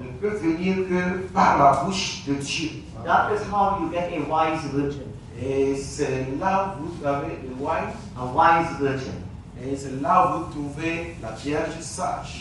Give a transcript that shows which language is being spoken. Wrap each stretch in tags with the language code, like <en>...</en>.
<fr>Ne peut venir que par la bouche de Dieu.</fr> <en>That is how you get a wise virgin.</en> <fr>Et c'est là où vous trouvez une wife,</fr> <en>a wise virgin.</en> <fr>Et c'est là où vous trouvez la vierge sage.</fr>